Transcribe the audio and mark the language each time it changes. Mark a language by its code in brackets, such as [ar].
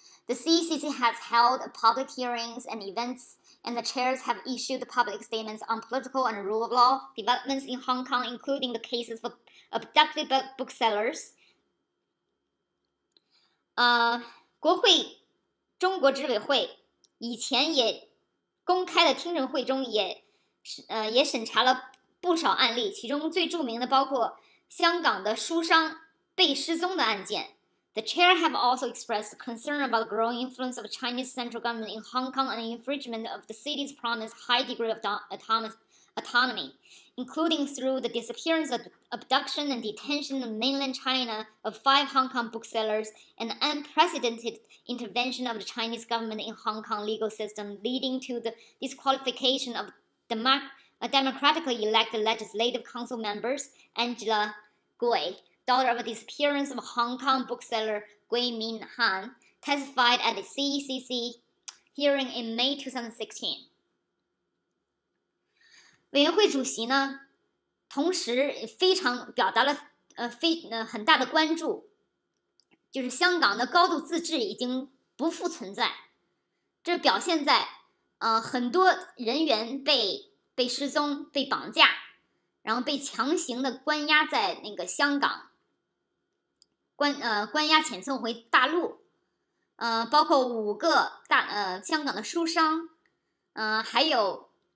[en] The CECC has held public hearings and events. And the chairs have issued public statements on political and rule of law developments in Hong Kong, including the cases for abducted booksellers. [zh] 国会中国执委会以前也公开的听证会中也审查了不少案例，其中最著名的包括香港的书商被失踪的案件， [en] The chair have also expressed concern about the growing influence of the Chinese central government in Hong Kong and infringement of the city's promised high degree of autonomy, including through the disappearance, abduction, and detention in mainland China of five Hong Kong booksellers and unprecedented intervention of the Chinese government in Hong Kong legal system, leading to the disqualification of the democratically elected legislative council members, Angela Gui, daughter of the disappearance of Hong Kong bookseller Gui Min Han, testified at the CCC hearing in May 2016. [zh] 委员会主席呢，同时非常表达了很大的关注，就是香港的高度自治已经不复存在，这表现在很多人员被失踪、被绑架，然后被强行的关押在那个香港，关押遣送回大陆，包括五个香港的书商，还有。